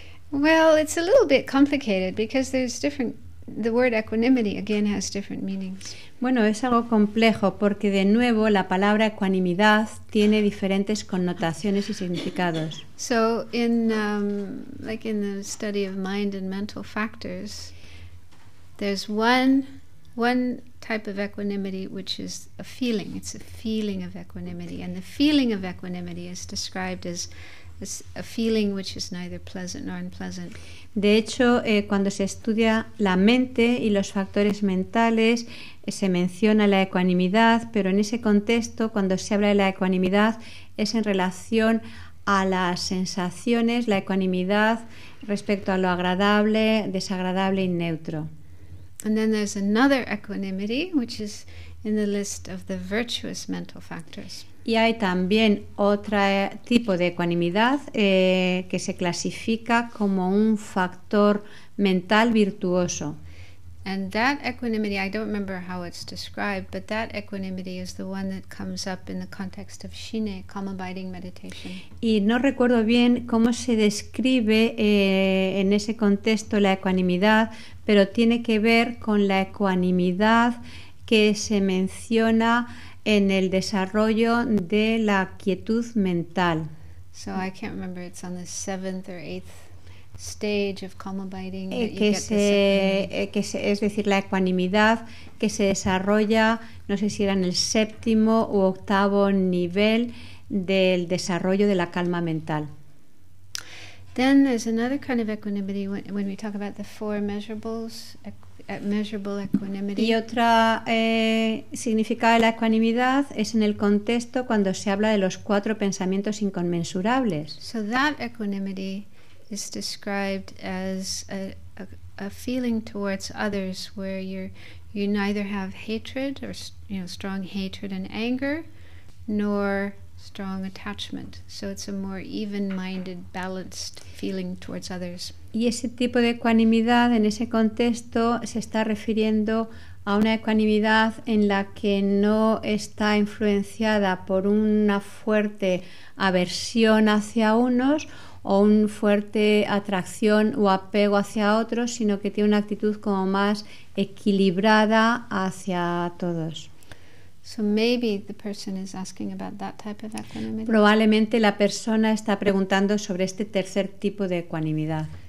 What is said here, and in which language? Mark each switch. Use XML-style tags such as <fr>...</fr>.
<en>Well, it's a little bit complicated because there's different, the word equanimity again has different meanings.</en> <es>Bueno, es algo complejo porque de nuevo la palabra ecuanimidad tiene diferentes connotaciones y significados.</es> <en>So in like in the study of mind and mental factors, there's one type of equanimity which is a feeling. It's a feeling of equanimity, and the feeling of equanimity is described as a feeling which is neither pleasant nor unpleasant.</en> <es>De hecho, cuando se estudia la mente y los factores mentales, se menciona la ecuanimidad, pero en ese contexto, cuando se habla de la ecuanimidad, es en relación a las sensaciones, la ecuanimidad respecto a lo agradable, desagradable y neutro.</es> <en>And then there's another equanimity, which is in the list of the virtuous mental factors.</en> <es>Y hay también otro tipo de ecuanimidad que se clasifica como un factor mental virtuoso.</es> <en>And that equanimity, I don't remember how it's described, but that equanimity is the one that comes up in the context of shine, calm abiding meditation.</en> <es>Y no recuerdo bien cómo se describe en ese contexto la ecuanimidad, pero tiene que ver con la ecuanimidad que se menciona en el desarrollo de la quietud mental.</es> <en>So I can't remember, it's on the 7th or 8th stage of calm abiding.</en> <es>Es decir, la ecuanimidad que se desarrolla, no sé si era en el séptimo u octavo nivel del desarrollo de la calma mental.</es> <en>Then there's another kind of equanimity when we talk about the four measurables, measurable equanimity.</en> <es>Y otra significado de la ecuanimidad es en el contexto cuando se habla de los cuatro pensamientos inconmensurables.</es> <en>So that equanimity is described as a feeling towards others where you neither have hatred or strong hatred and anger, nor strong attachment. So it's a more even-minded, balanced feeling towards others.</en> <es>Y ese tipo de ecuanimidad en ese contexto se está refiriendo a una ecuanimidad en la que no está influenciada por una fuerte aversión hacia unos o un fuerte atracción o apego hacia otros, sino que tiene una actitud como más equilibrada hacia todos.</es> <en>So maybe the person is asking about that type of equanimity.</en> <es>Probablemente la persona está preguntando sobre este tercer tipo de ecuanimidad.</es>